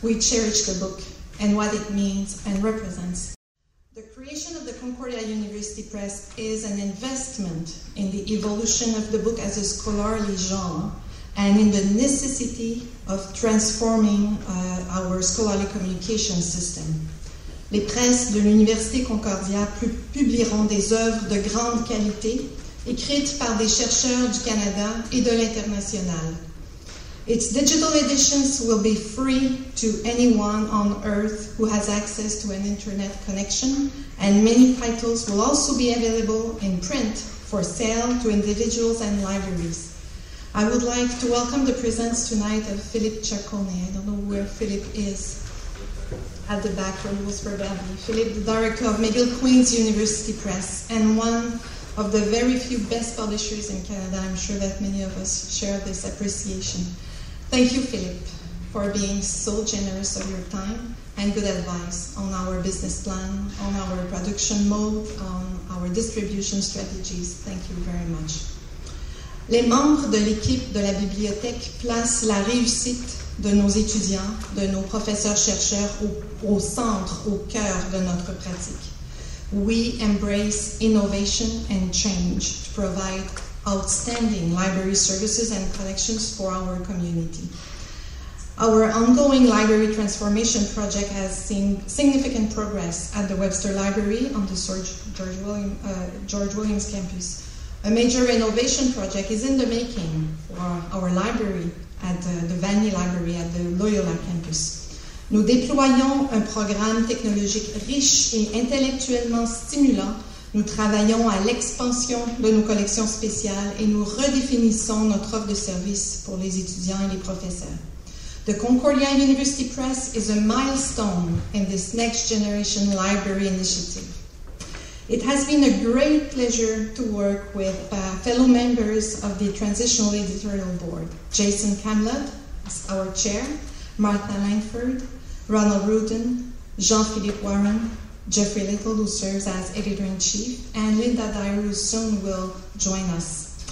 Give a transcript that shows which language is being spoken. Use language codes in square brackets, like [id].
[en] We cherish the book and what it means and represents. The creation of the Concordia University Press is an investment in the evolution of the book as a scholarly genre and in the necessity of transforming our scholarly communication system. [fr] Les presses de l'Université Concordia publieront des œuvres de grande qualité écrites par des chercheurs du Canada et de l'international. [en] Its digital editions will be free to anyone on Earth who has access to an internet connection, and many titles will also be available in print for sale to individuals and libraries. I would like to welcome the presence tonight of Philippe Chacone. I don't know where Philippe is. At the back, from Whisper Valley. Philippe, the director of McGill Queen's University Press, and one of the very few best publishers in Canada. I'm sure that many of us share this appreciation. Thank you, Philippe, for being so generous of your time and good advice on our business plan, on our production mode, on our distribution strategies. Thank you very much. [fr] Les membres de l'équipe de la bibliothèque placent la réussite de nos étudiants, de nos professeurs-chercheurs au centre, au cœur de notre pratique. [en] We embrace innovation and change to provide outstanding library services and collections for our community. Our ongoing library transformation project has seen significant progress at the Webster Library on the George Williams campus. A major renovation project is in the making for our library at the Vanier Library at the Loyola campus. [fr] Nous déployons un programme technologique riche et intellectuellement stimulant. Nous travaillons à l'expansion de nos collections spéciales et nous redéfinissons notre offre de services pour les étudiants et les professeurs. [en] The Concordia University Press is a milestone in this next generation library initiative. It has been a great pleasure to work with fellow members of the Transitional Editorial Board, Jason Camlett, our chair, Martha Langford, Ronald Rudin, Jean-Philippe Warren, Jeffrey Little, who serves as editor-in-chief, and Linda Dyer, who soon will join us.